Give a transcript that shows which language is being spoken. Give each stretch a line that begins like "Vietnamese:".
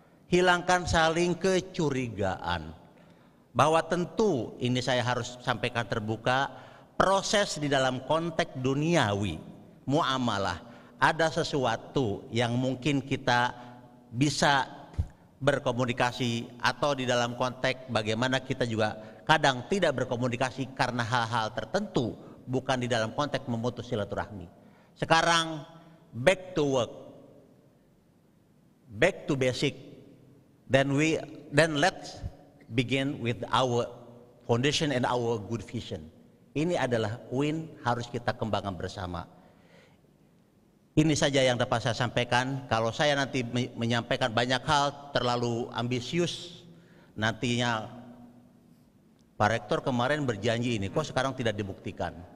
Indonesian: Hilangkan saling kecurigaan. Bahwa tentu ini saya harus sampaikan terbuka, proses di dalam konteks duniawi muamalah, ada sesuatu yang mungkin kita bisa berkomunikasi, atau di dalam konteks bagaimana kita juga kadang tidak berkomunikasi karena hal-hal tertentu, bukan di dalam konteks memutus silaturahmi.
English: Sekarang back to work, back to basic, then let's begin with our foundation and our good vision.
Indonesian: Ini adalah UIN harus kita kembangkan bersama. Ini saja yang dapat saya sampaikan. Kalau saya nanti menyampaikan banyak hal terlalu ambisius, nantinya Pak Rektor kemarin berjanji ini, kok sekarang tidak dibuktikan.